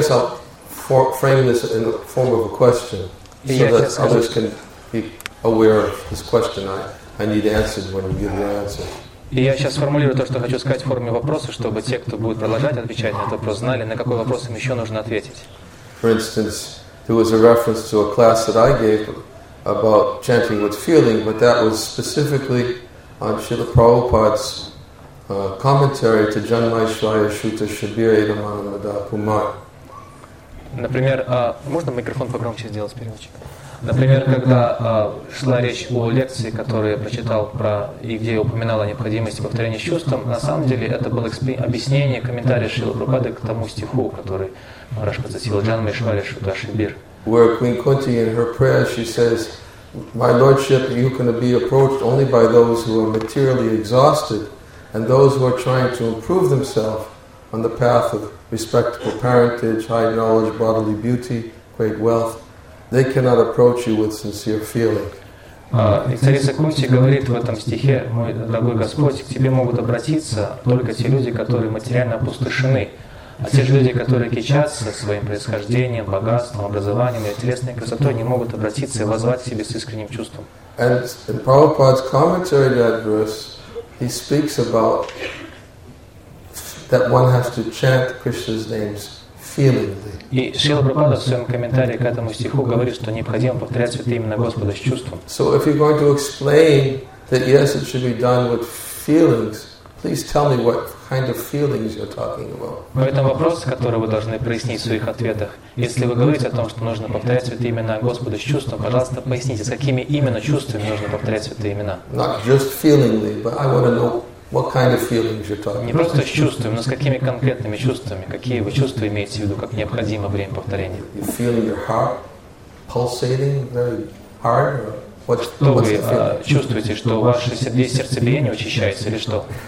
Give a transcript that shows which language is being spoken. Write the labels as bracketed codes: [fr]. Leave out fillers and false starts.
[en] I guess I'll frame this in the form of a question others can be aware of this question. I need answered when you give the answer. [ru] И я сейчас формулирую то, что хочу сказать в форме вопроса, чтобы те, кто будет продолжать отвечать на этот вопрос, знали, на какой вопрос им еще нужно ответить. [en] For instance, there was a reference to a class that I gave about chanting with feeling, but that was specifically on Srila Prabhupada's commentary to Janmaishvaya Shuta Shabir Edamana Madhapumar. [ru] Например, можно микрофон погромче сделать, переводчик? Например, когда шла речь о лекции, которую я прочитал, про и где я упоминал о необходимости повторения с чувством, на самом деле это было объяснение, комментарий Шрилы Прабхупады к тому стиху, который Махараш процитировал, Джанмайшвари Шута Шибир. [en] Where Queen Kunti, in her prayer, she says, My Lordship, you can be approached only by those who are materially exhausted and those who are trying to improve themselves on the path of respectable parentage, high knowledge, bodily beauty, great wealth, they cannot approach you with sincere feeling. [ru] И царица Кунти говорит в этом стихе, мой дорогой Господь, к тебе могут обратиться только те люди, которые материально опустошены, а те же люди, которые кичатся своим происхождением, богатством, образованием и телесной красотой, не могут обратиться и воззвать к себе с искренним чувством. [en] And in Prabhupada's commentary to that verse, he speaks about that one has to chant Krishna's names feelingly. [ru] И Шрила Прабхупада в своем комментарии к этому стиху говорит, что необходимо повторять святые имена Господа с чувством. [en] So if you're going to explain that yes, it should be done with feelings, please tell me what kind of feelings you're talking about. [ru] Поэтому вопрос, который вы должны прояснить в своих ответах, если вы говорите о том, что нужно повторять святые имена Господа с чувством, пожалуйста, поясните, с какими именно чувствами нужно повторять святые имена. [en] Not just feelingly, but I want to know what kind of feelings you're talking about? [ru] Не просто с чувствами, но с какими конкретными чувствами? Какие вы чувства имеете в виду, как необходимо время повторения? [en] You feel your heart pulsating very hard? [ru] Что вы чувствуете, что ваше сердцебиение учащается или что?